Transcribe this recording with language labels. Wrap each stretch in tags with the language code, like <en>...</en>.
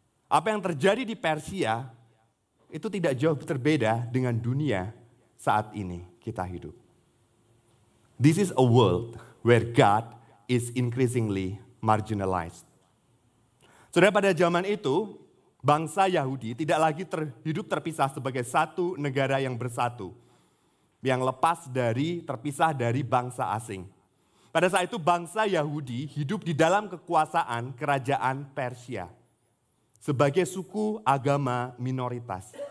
<id>Apa yang terjadi di Persia, itu tidak jauh berbeda dengan dunia saat ini kita hidup.</id> <en>This is a world where God is increasingly marginalized.</en> <id>Saudara, pada zaman itu, bangsa Yahudi tidak lagi hidup terpisah sebagai satu negara yang bersatu, yang terpisah dari bangsa asing. Pada saat itu, bangsa Yahudi hidup di dalam kekuasaan kerajaan Persia sebagai suku agama minoritas.</id>